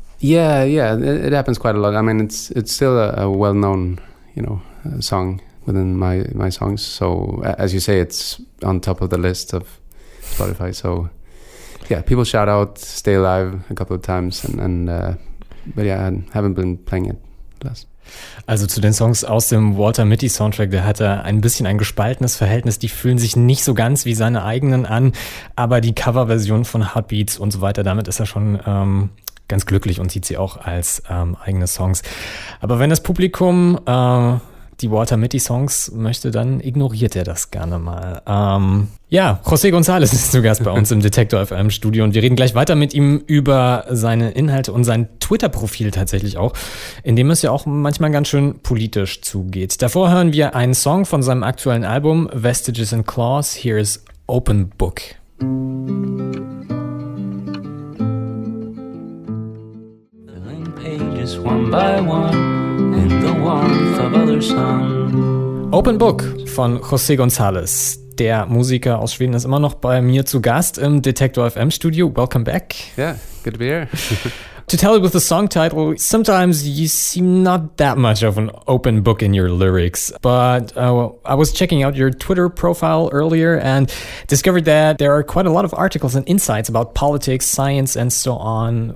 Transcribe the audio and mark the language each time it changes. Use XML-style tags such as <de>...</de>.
<en>Yeah, yeah, it happens quite a lot. I mean, it's still a well-known, you know, song within my songs. So as you say, it's on top of the list of Spotify. So yeah, people shout out "Stay Alive" a couple of times, but yeah, I haven't been playing it less.</en> <de>Also zu den Songs aus dem Walter Mitty Soundtrack, der hatte ein bisschen ein gespaltenes Verhältnis. Die fühlen sich nicht so ganz wie seine eigenen an, aber die Coverversion von Heartbeats und so weiter, damit ist er schon ganz glücklich und sieht sie auch als eigene Songs. Aber wenn das Publikum die Walter Mitty Songs möchte, dann ignoriert er das gerne mal. Ja, José González ist zu Gast bei uns im Detektor FM Studio und wir reden gleich weiter mit ihm über seine Inhalte und sein Twitter-Profil tatsächlich auch, in dem es ja auch manchmal ganz schön politisch zugeht. Davor hören wir einen Song von seinem aktuellen Album Vestiges and Claws.</de> <en>Here is Open Book. One by one, in the warmth of other sun.</en> <de>Open Book von José González. Der Musiker aus Schweden ist immer noch bei mir zu Gast im Detektor FM Studio.</de> <en>Welcome back. Yeah, good to be here. To tell you with the song title, sometimes you seem not that much of an open book in your lyrics, but I was checking out your Twitter profile earlier and discovered that there are quite a lot of articles and insights about politics, science and so on.</en>